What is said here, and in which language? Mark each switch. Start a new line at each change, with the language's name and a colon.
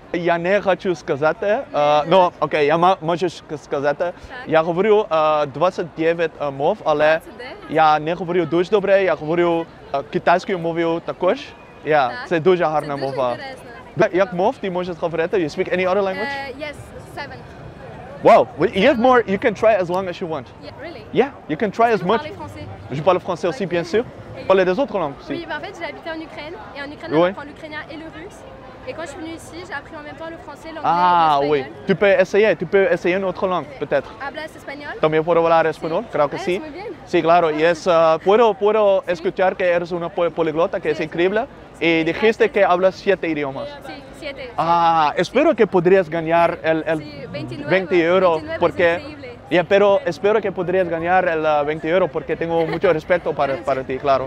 Ukrainian: Я не хочу сказати, ну, окей, я можу сказати. Я говорю 29 мов, але я не говорю дуже добре. Я говорю китайською мовою також. Я, це дуже гарна мова. Як мов ти можеш говорити?
English: You speak any other language? Yes, 7. Wow, well, you have more, you can try as long as you want. Yeah, really? Yeah, you can try as much.
French: Je parle français aussi, bien sûr. Parlez des autres langues aussi. Oui, bah en fait, j'ai habité en Ukraine, et en Ukraine, j'ai appris l'ukrainien et le russe. Et quand je suis venue ici, j'ai appris en même temps le français, l'anglais et l'espagnol. Ah oui, tu peux essayer une autre langue, peut-être.
Spanish: Hablas espagnol? También puedo hablar español, creo que sí. Sí, claro, y es, puedo escuchar que eres una poliglota, que es increíble. Y dijiste que hablas 7 idiomas. Sí, 7. Ah, espero que podrías ganar el 20 euros, porque pero espero que podrías ganar el 20 euros porque tengo mucho respeto para ti, claro.